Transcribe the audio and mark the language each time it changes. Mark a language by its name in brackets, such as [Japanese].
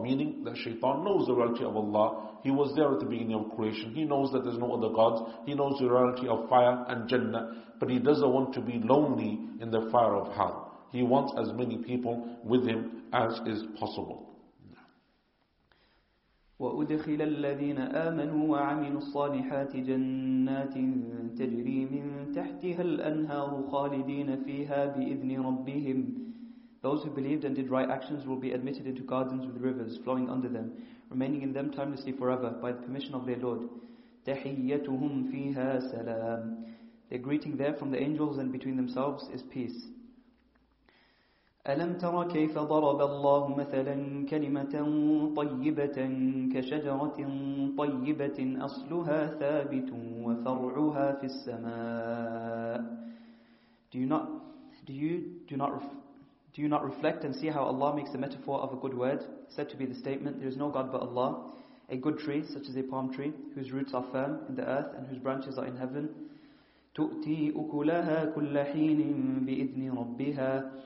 [English] Meaning that shaitan knows the reality of Allah. He was there at the beginning of creation. He knows that there's no other gods. He knows the reality of fire and Jannah. But he doesn't want to be lonely in the fire of hell. He wants as many people with him as is possible. [Arabic] وأدخل الذين آمنوا وعملوا الصالحات جنات تجري من تحتها الأنهار خالدين فيها بإذن ربهم. [English] Those who believed and did right actions will be admitted into gardens with rivers flowing under them, remaining in them timelessly forever by the permission of their Lord. [Arabic] تحيتهم فيها سلام. [English] Their greeting there from the angels and between themselves is peace. [Arabic] ألم تر كيف ضرب الله مثلا كلمة طيبة كشجرة طيبة أصلها ثابت وفرعها في السماء. [English] Do you not reflect and see how Allah makes a metaphor of a good word, said to be the statement, there is no God but Allah, a good tree, such as a palm tree, whose roots are firm in the earth and whose branches are in heaven. [Arabic] تُؤْتِي أُكُلَهَا كُلَّ حِينٍ بِإِذْنِ رَبِّهَا